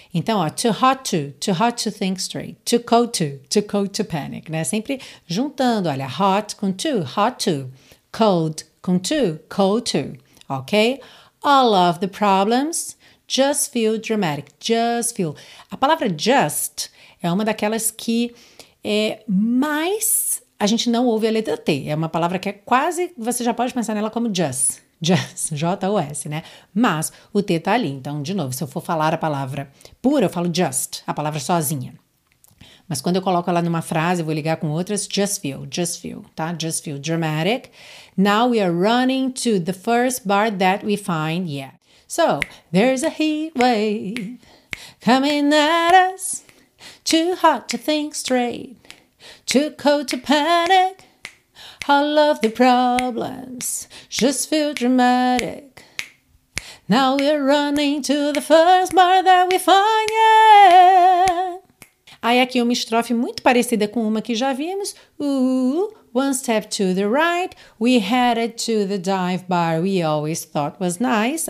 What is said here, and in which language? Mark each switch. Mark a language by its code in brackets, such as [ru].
[pt] Então, ó, [en] too hot to think straight, too cold to panic, né? [pt] Sempre juntando, olha, hot com too, [en] hot to, [pt] cold com too, [en] cold to, [pt] ok? [en] All of the problems just feel dramatic, just feel. [pt] A palavra just é uma daquelas que é mais, a gente não ouve a letra T. É uma palavra que é quase, você já pode pensar nela como just. Just, J-O-S, né? Mas o T tá ali. Então, de novo, se eu for falar a palavra pura, eu falo just, a palavra sozinha. Mas quando eu coloco ela numa frase, eu vou ligar com outras, [en] just feel, [pt] tá? [en] Just feel dramatic. Now we are running to the first bar that we find, yeah. So, there's a heat wave coming at us. Too hot to think straight. Too cold to panic. All of the problems just feel dramatic. Now we're running to the first bar that we find, yeah. [pt] Aí aqui uma estrofe muito parecida com uma que já vimos. [en] One step to the right, we headed to the dive bar we always thought was nice.